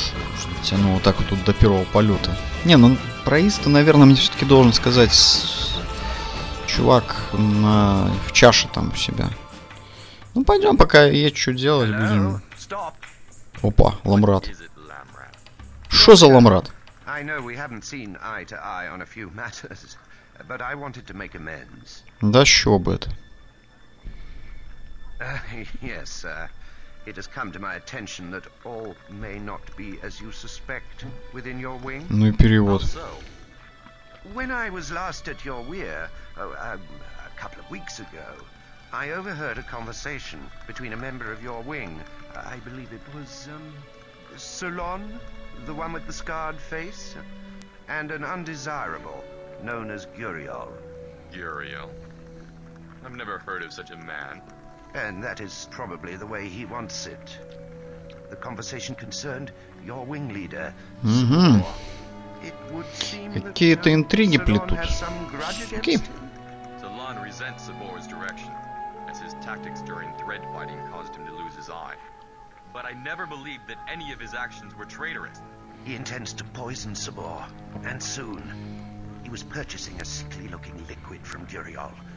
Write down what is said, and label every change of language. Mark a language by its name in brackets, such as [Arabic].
[Russian] Может быть, оно вот так вот тут до первого полета. Не, ну про Иста, наверное, мне все-таки должен сказать чувак на... в чаше там у себя. Ну пойдем, пока я что делать будем. Опа, Ламрад. Что за Ламрад? [English] I know we haven't seen eye to eye on a few matters, but I wanted to make amends. [Russian] Да что бы это? [English] Yes, sir. It has come to my attention that all may not be as you suspect within your wing. [Russian] Ну и перевод. [English] Also, when I was last at your weir, a couple of weeks ago, I overheard a conversation between a member of your wing. I believe it was Solon. The one with the scarred face, and an undesirable, known as Guriel. Guriel? I've never heard of such a man. And that is probably the way he wants it. The conversation concerned your wing leader. Mm-hmm. It would seem [Russian] какие-то интриги плетут. Окей. [English] Solon resents Sabor's direction, as his tactics during thread fighting caused him to lose his eye. But I never believed that any of his actions were traitorous. He intends to poison Sabor, and soon. He was purchasing a sickly-looking liquid from Guriel.